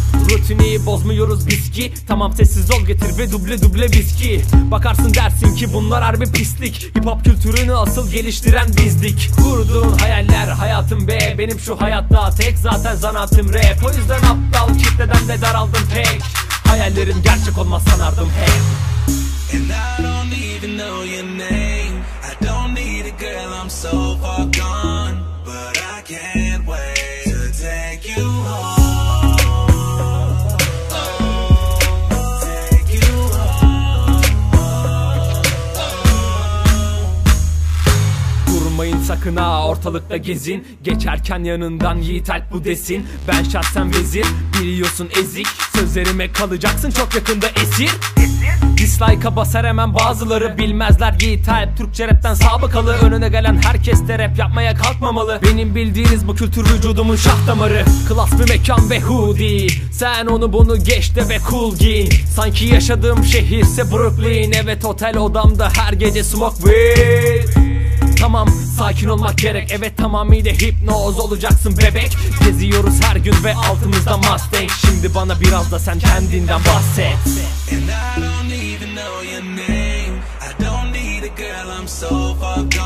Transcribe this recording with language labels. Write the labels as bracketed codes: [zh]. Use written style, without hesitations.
[tr] Rutini bozmuyoruz biz ki. Tamam sessiz ol, getir ve duble duble viski. Bakarsın dersin ki bunlar harbi pislik. Hip hop kültürünü asıl geliştiren bizdik. Kurduğun hayaller hayatım be. Benim şu hayatta tek zaten zanaatim rap. O yüzden aptal kitleden de daraldım pek. Hayallerim gerçek olmaz sanardım hep. [en] And I don't even know your name. I don't need a girl, I'm so far gone. But I can't wait to take you home. [tr] Sakın ha ortalıkta gezin. Geçerken yanından Yiğit Alp bu desin. Ben şahsen vezir, biliyorsun ezik. Sözlerime kalacaksın çok yakında esir. Dislike'a basar hemen bazıları. Bilmezler Yiğit Alp Türkçe rapten sabıkalı. Önüne gelen herkes de rap yapmaya kalkmamalı. Benim bildiğiniz bu kültür vücudumun şah damarı. Klas bir mekan ve hoodie. Sen onu bunu geç de ve cool giyin. Sanki yaşadığım şehirse Brooklyn. Evet otel odamda her gece [en] smoke weed. [tr] Tamam sakin olmak gerek, evet tamamıyla hipnoz olacaksın bebek. Geziyoruz her gün ve altımızda Mustang. Şimdi bana biraz da sen kendinden bahset. [en] And I don't even know your name. I don't need a girl, I'm so far.